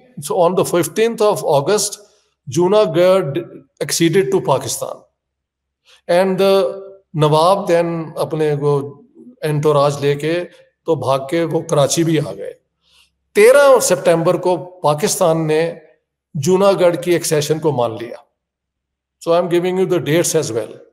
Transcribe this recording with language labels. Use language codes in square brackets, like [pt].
[en] On the 15th of August, Junagadh acceded to Pakistan. And the Nawab then [ur] اپنے کو انٹوراج لے کے تو بھاگ کے وہ کراچی بھی آ گئے. 13 September کو پاکستان نے Junagadh کی ایکسیشن کو مان لیا. [en] So I'm giving you the dates as well.